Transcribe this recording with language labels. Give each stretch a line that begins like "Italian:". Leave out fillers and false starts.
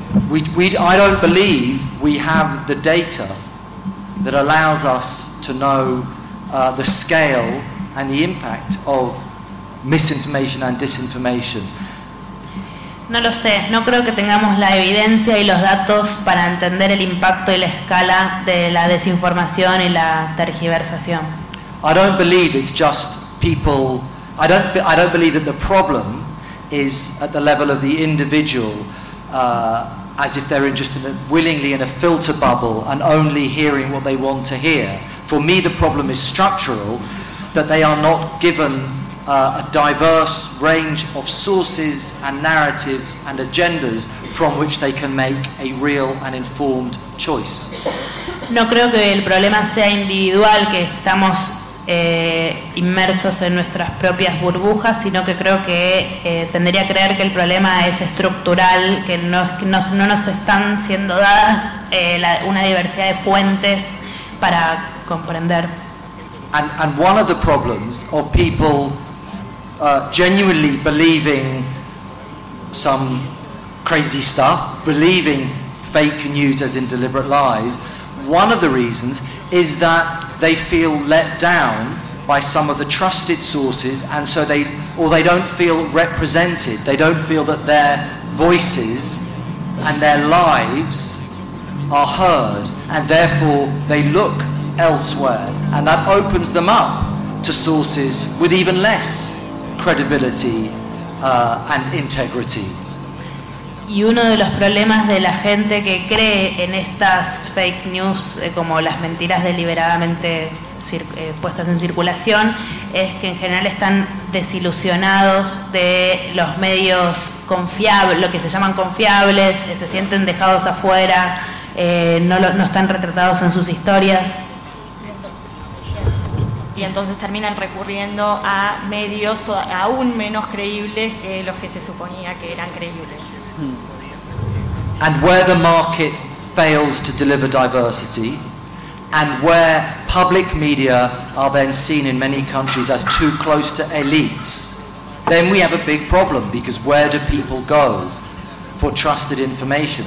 English: I don't believe we have the data that allows us to know the scale and the impact of misinformation and disinformation.
Spanish: No lo sé, no creo que tengamos la evidencia y los datos para entender el impacto y la escala de la desinformación y la tergiversación.
English: I don't believe it's just people. I don't believe that the problem is at the level of the individual, as if they're just willingly in a filter bubble and only hearing what they want to hear. For me, the problem is structural, that they are not given a diverse range of sources and narratives and agendas from which they can make a real and informed choice.
Spanish: No creo que el problema sea individual, que estamos inmersos en nuestras propias burbujas, sino que creo que tendría a creer que el problema es estructural, que no nos están siendo dadas una diversidad de fuentes para comprender.
English: And one of the problems of people genuinely believing some crazy stuff, believing fake news as in deliberate lies, one of the reasons is that they feel let down by some of the trusted sources, and so they don't feel represented. They don't feel that their voices and their lives are heard, and therefore they look elsewhere, and that opens them up to sources with even less credibility and integrity.
Spanish: Y uno de los problemas de la gente que cree en estas fake news, como las mentiras deliberadamente puestas en circulación, es que en general están desilusionados de los medios confiables, lo que se llaman confiables, se sienten dejados afuera, no están retratados en sus historias. Y entonces terminan recurriendo a medios aún menos creíbles que los que se suponía que eran creíbles.
English: And where the market fails to deliver diversity, and where public media are then seen in many countries as too close to elites, then we have a big problem, because where do people go for trusted information?